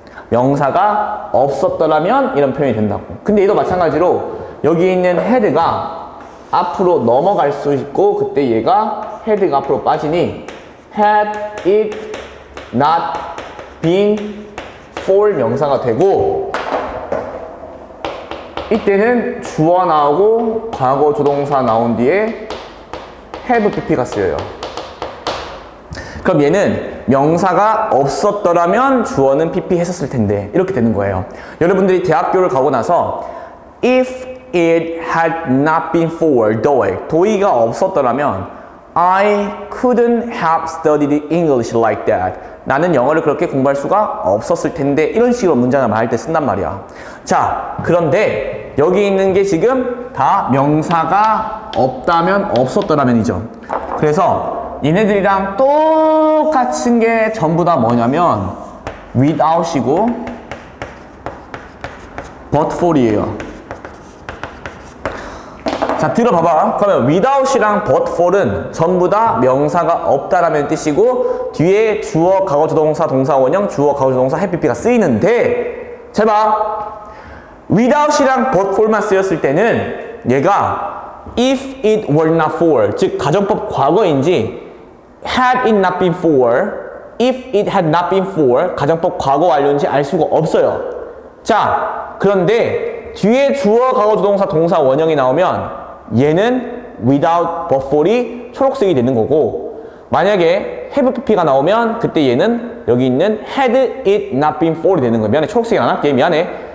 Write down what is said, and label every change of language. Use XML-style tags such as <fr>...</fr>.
<ko>명사가 없었더라면 이런 표현이 된다고. 근데 얘도 마찬가지로 여기 있는 헤드가 앞으로 넘어갈 수 있고 그때 얘가 헤드가 앞으로 빠지니</ko> <en>had it not been for</en> <ko>명사가 되고 이때는 주어 나오고 과거 조동사 나온 뒤에 have pp가 쓰여요. 그럼 얘는 명사가 없었더라면 주어는 pp 했었을 텐데 이렇게 되는 거예요. 여러분들이 대학교를 가고 나서</ko> <en>if it had not been for DOEIC, DOEIC가</en> <ko>없었더라면</ko> <en>I couldn't have studied English like that.</en> <ko>나는 영어를 그렇게 공부할 수가 없었을 텐데 이런 식으로 문장을 말할 때 쓴단 말이야. 자, 그런데 여기 있는 게 지금 다 명사가 없다면 없었더라면이죠. 그래서 얘네들이랑 똑같은 게 전부 다 뭐냐면 without이고 but for이에요. 자, 들어봐봐. 그러면 without이랑 but for은 전부 다 명사가 없다라는 뜻이고 뒤에 주어, 과거, 조동사, 동사, 원형, 주어, 과거, 조동사, have, pp가 쓰이는데 잘 봐. without이랑 but for만 쓰였을 때는 얘가</ko> <en>if it were not for,</en> <ko>즉 가정법 과거인지</ko> <en>had it not been for,</en> <ko>if it had not been for, 가정법 과거 완료인지 알 수가 없어요. 자, 그런데 뒤에 주어, 과거, 조동사, 동사, 원형이 나오면 얘는 without, but for이 초록색이 되는 거고 만약에 have, pp가 나오면 그때 얘는 여기 있는</ko> <en>had it not been for</en> <ko>이 되는 거예요. 미안해, 초록색이 안 할게. 미안해.</ko>